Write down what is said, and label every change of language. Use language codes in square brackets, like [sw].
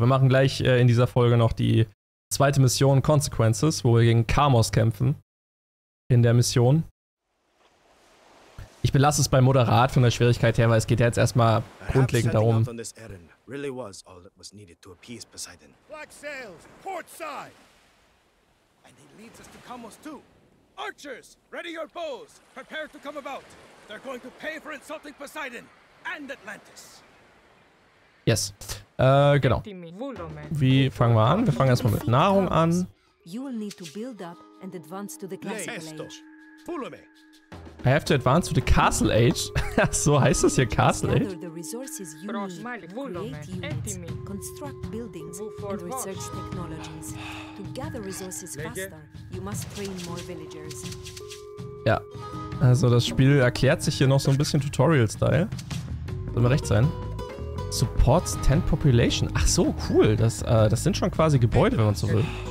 [de] Wir machen gleich in dieser Folge noch die zweite Mission Consequences, wo wir gegen Camos kämpfen. In der Mission. Ich belasse es bei moderat von der Schwierigkeit her, weil es geht ja jetzt erstmal grundlegend darum. [en] Really was all that was needed to appease Poseidon. Black sails, port side. And it leads us to Camos too. Archers, ready your bows. Prepare to come about. They're going to pay for insulting Poseidon and Atlantis. [de] Yes. Genau. Wie fangen wir an? Wir fangen erstmal mit Nahrung an. [en] You will need to build up and advance to the Castle Age. I have to advance to the Castle Age. [de] So heißt das hier [en] Castle Age. The resources you need to create units, construct buildings and research technologies. To gather resources faster, you must train more villagers. [de] Ja. Also das Spiel erklärt sich hier noch so ein bisschen Tutorial-Style. Soll mir recht sein. [en] Supports 10 Population. [de] Ach so, cool. Das sind schon quasi Gebäude, wenn man so will.